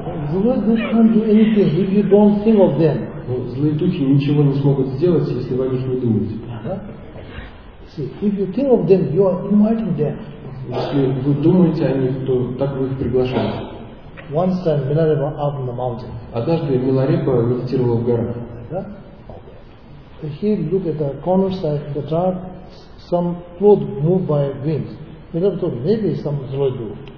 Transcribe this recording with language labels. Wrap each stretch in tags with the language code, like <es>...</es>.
<ru>Злые духи</ru> <en>can't do anything if you don't think of them.</en> <ru>Но злые духи ничего не смогут сделать, если вы о них не думаете.</ru> <en>See, if you think of them, you are inviting them.</en> <ru>Если вы думаете о них, то так вы их приглашаете.</ru> <en>Once time Milarepa up in the mountain.</en> <ru>Однажды Миларепа медитировал в горах.</ru> <en>He looked at the corner side of the chart, some cloud moved by wind. Milarepa thought maybe some</en> <ru>злой дух.</ru>